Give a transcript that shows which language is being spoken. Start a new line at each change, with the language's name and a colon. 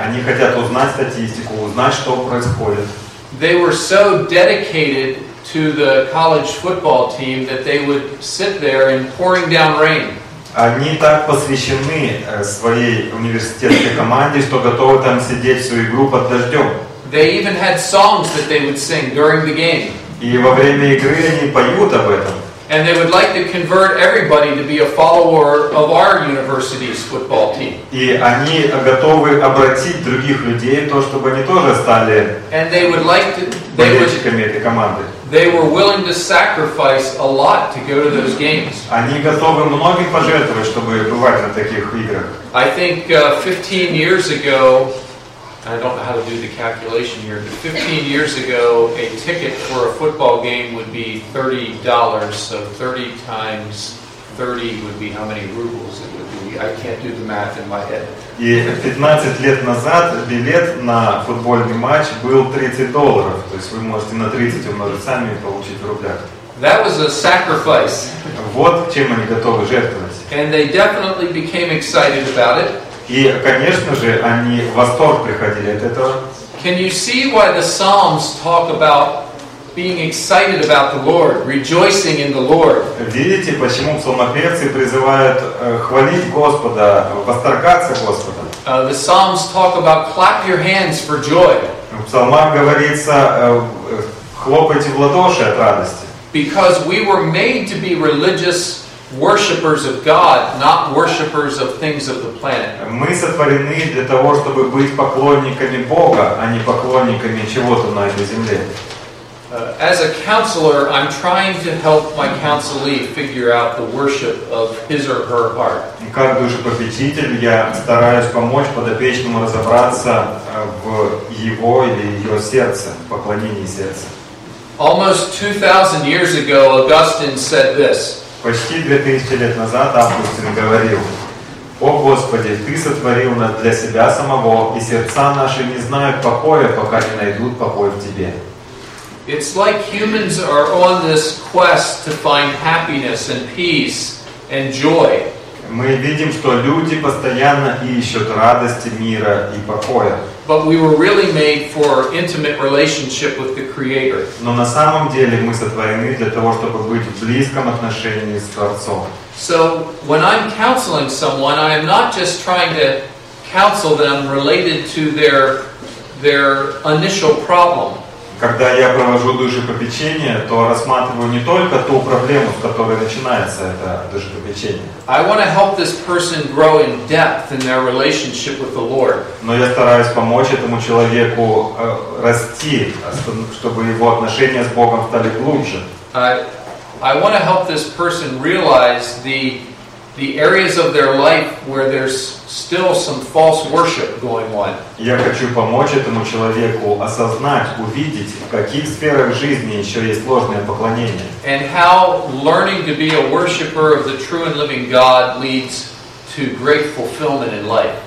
Russian: Они хотят узнать статистику, узнать, что происходит.
English: They were so dedicated to the college football team that they would sit there in pouring down rain.
Russian: Они так посвящены своей университетской команде, что готовы там сидеть всю игру под дождем.
English: They even had songs that they would sing during the game.
Russian: И во время игры они поют об этом.
English: And they would like to convert everybody to be a follower of our university's football team.
Russian: И они готовы обратить других людей, то чтобы они тоже стали болельщиками этой команды.
English: They were willing to sacrifice a lot to go to those games.
Russian: Они готовы многим пожертвовать, чтобы бывать на таких играх.
English: I think 15 years ago, I don't know how to do the calculation here, but 15 years ago, a ticket for a football game would be $30. So 30 times 30 would be how many rubles it would be. I can't do the math in my head.
Russian: И 15 лет назад билет на футбольный матч был $30. То есть вы можете на 30 умножить сами и получить в рублях.
English: That was a sacrifice.
Russian: Вот чем они готовы жертвовать.
English: And they definitely became excited about it.
Russian: И, конечно же, они в восторг приходили от этого.
English: Can you see why the Psalms talk about being excited about the Lord, rejoicing in the Lord?
Russian: Видите, почему псалмопевцы призывают хвалить Господа, восторгаться Господом?
English: The Psalms talk about clap your hands for joy.
Russian: В псалмах говорится, хлопайте в ладоши от радости.
English: Because we were made to be religious worshippers of God, not worshippers of things of the planet.
Russian: Мы сотворены для того, чтобы быть поклонниками Бога, а не поклонниками чего-то на этой земле.
English: As a counselor, I'm trying to help my counselee figure out the worship of his or her heart.
Russian: Как душепопечитель, я стараюсь помочь подопечному разобраться в его или ее сердце, в поклонении сердца.
English: Almost 2,000 years ago, Augustine said this.
Russian: Почти 2000 лет назад Августин говорил: «О Господи, Ты сотворил нас для Себя самого, и сердца наши не знают покоя, пока не найдут покой в Тебе».
English: It's like humans are on this quest to find happiness and peace and joy.
Russian: Мы видим, что люди постоянно ищут радости, мира и покоя.
English: But we were really made for intimate relationship with the Creator.
Russian: Но на самом деле мы сотворены для того, чтобы быть в близком отношении с Творцом.
English: So when I'm counseling someone, I am not just trying to counsel them related to their initial problem.
Russian: Когда я провожу душепопечение, то рассматриваю не только ту проблему, с которой начинается это душепопечение.
English: I want to help this person grow in depth in their relationship with the Lord.
Russian: Но я стараюсь помочь этому человеку расти, чтобы его отношения с Богом стали глубже.
English: I want to help this person realize the areas of their life where there's still some false worship going on.
Russian: Я хочу помочь этому человеку осознать, увидеть, в каких сферах жизни еще есть ложное поклонение.
English: And how learning to be a worshiper of the true and living God leads to great fulfillment in life.